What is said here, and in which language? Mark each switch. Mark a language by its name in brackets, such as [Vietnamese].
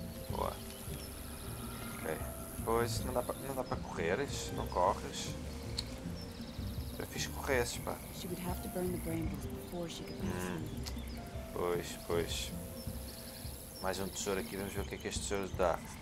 [Portuguese] Boa. Ok. Pois não dá para correres, não corres. Era fixe que corresses, pá. [English] She would have to burn the brambles before she could pass through. [Portuguese] Pois. Mais um tesouro aqui, vamos ver o que é que este tesouro dá.